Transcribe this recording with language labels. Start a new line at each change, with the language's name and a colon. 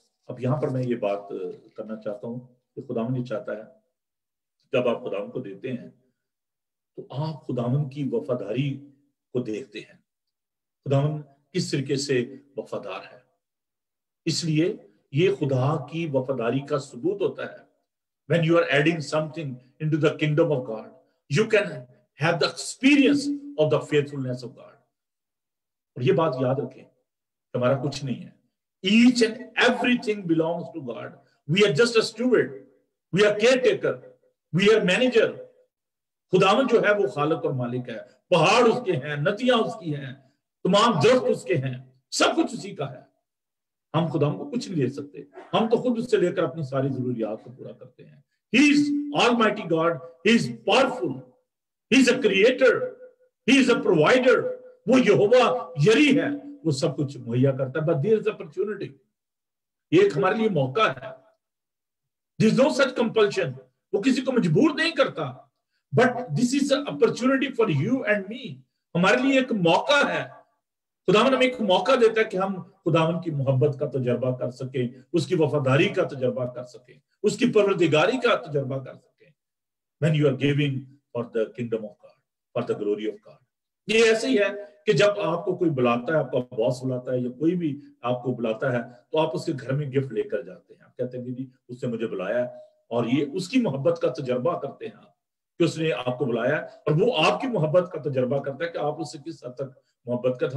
Hindi: अब यहां पर मैं ये बात करना चाहता हूं कि खुदावन ये चाहता है जब आप खुदावन को देते हैं तो आप खुदावन की वफादारी को देखते हैं, खुदावन किस तरीके से वफादार है। इसलिए ये खुदा की वफादारी का सबूत होता है।
English: When you are adding something into the kingdom of God, you can have the experience of the faithfulness of God.
Hindi: और ये बात याद रखें, हमारा कुछ नहीं है,
English: each and everything belongs to God. We are just a steward, we are caretaker, we are manager.
Hindi: खुदावन जो है वो खालक और मालिक है, पहाड़ उसके हैं, नदियां उसकी हैं, तमाम दरख्त उसके हैं, सब कुछ उसी का है। हम खुदावन को कुछ नहीं ले सकते, हम तो खुद उससे लेकर अपनी सारी जरूरियात को पूरा करते हैं।
English: He is almighty God, He is powerful, He is a creator, He is a provider.
Hindi: वो यहोवा यरी है, वो सब कुछ मुहैया करता है।
English: But there is opportunity.
Hindi: एक हमारे लिए मौका है।
English: There is no such compulsion.
Hindi: वो किसी को मजबूर नहीं करता।
English: But this is an opportunity for you and me.
Hindi: हमारे लिए एक मौका है। खुदावन हमें एक मौका देता है कि हम खुदावन की मोहब्बत का तजर्बा कर सकें, उसकी वफादारी का तजर्बा कर सकें, उसकी परवरदिगारी का तजर्बा कर सकें।
English: When you are giving for the kingdom of God, for the glory of God.
Hindi: ये ऐसे ही है कि जब आपको कोई बुलाता है, आपका बॉस बुलाता है या कोई भी आपको बुलाता है, तो आप उसके घर में गिफ्ट लेकर जाते हैं, आप कहते हैं दीदी उसने मुझे बुलाया, और ये उसकी मोहब्बत का तजर्बा करते हैं आप कि उसने आपको बुलाया, और वो आपकी मोहब्बत का तजर्बा करता है कि आप उससे किस हद तक मोहब्बत करते।